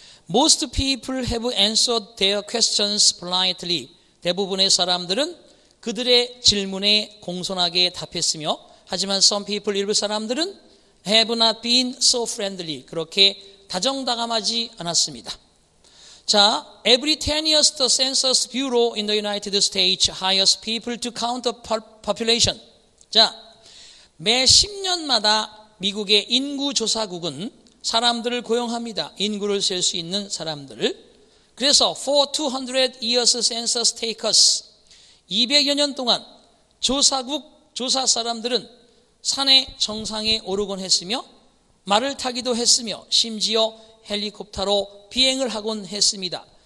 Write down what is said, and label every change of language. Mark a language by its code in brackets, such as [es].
[en] Most people have answered their questions politely. [ko] 대부분의 사람들은 그들의 질문에 공손하게 답했으며 하지만 [en] some people, [ko] 일부 사람들은 [en] have not been so friendly. [ko] 그렇게 다정다감하지 않았습니다. [en] 자, every 10 years the Census Bureau in the United States hires people to count the population. [ko] 자, 매 10년마다 미국의 인구조사국은 사람들을 고용합니다. 인구를 셀 수 있는 사람들을. 그래서 [en] for 200 years census takers, [ko] 200여 년 동안 조사국, 조사 사람들은 산의 정상에 오르곤 했으며 말을 타기도 했으며 심지어 헬리콥터로 비행을 하곤 했습니다.